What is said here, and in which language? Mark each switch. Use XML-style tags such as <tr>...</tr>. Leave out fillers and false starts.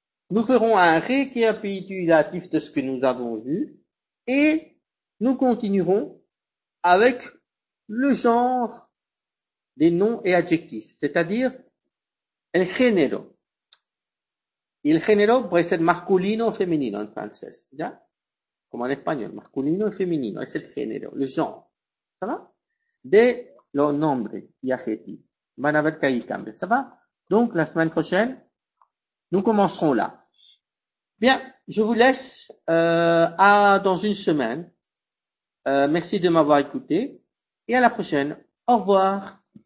<fr>Nous ferons un récapitulatif de ce que nous avons vu et nous continuerons avec le genre des noms et adjectifs, c'est-à-dire</fr> <es>el género. Y el género puede ser masculino o femenino en francés, ¿ya? Como en español, masculino y femenino, es el género,</es> <fr>le genre, ¿ça va?</fr> <es>De los nombres y adjetivos. Van a ver que ahí cambia,</es> <fr>¿ça va? Donc, la semaine prochaine, nous commencerons là. Bien, je vous laisse dans une semaine. Merci de m'avoir écouté Et à la prochaine. Au revoir.</fr>